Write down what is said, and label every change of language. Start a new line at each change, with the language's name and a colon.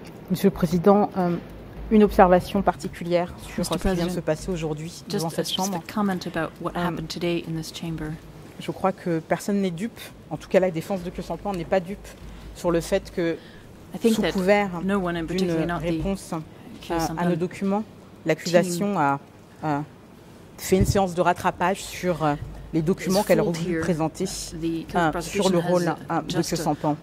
French: Monsieur le Président, une observation particulière sur ce qui vient de se passer aujourd'hui devant cette chambre.
English: Just a comment about what happened today in this chamber.
French: Je crois que personne n'est dupe, en tout cas la défense de Khieu Samphan n'est pas dupe sur le fait que, sous couvert d'une réponse à nos documents, l'accusation a fait une séance de rattrapage sur les documents qu'elle aurait voulu présenter sur le rôle de Khieu Samphan.